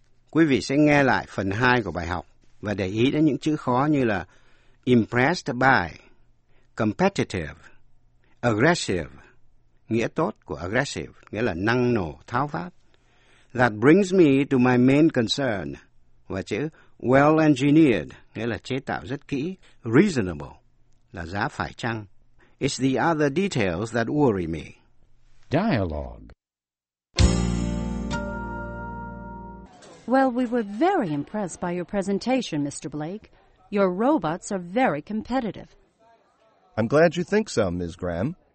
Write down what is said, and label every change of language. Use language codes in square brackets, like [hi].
[vi] Quý vị sẽ nghe lại phần 2 của bài học và để ý đến những chữ khó như là impressed by, competitive, aggressive, nghĩa tốt của aggressive, nghĩa là năng nổ, tháo vát. [en] That brings me to my main concern. [vi] Và chữ well-engineered, nghĩa là chế tạo rất kỹ. Reasonable, là giá phải chăng. [en] It's the other details that worry me. Dialogue. Well, we were very impressed by your presentation, Mr. Blake. Your robots are very competitive. I'm glad you think so, Ms. Graham.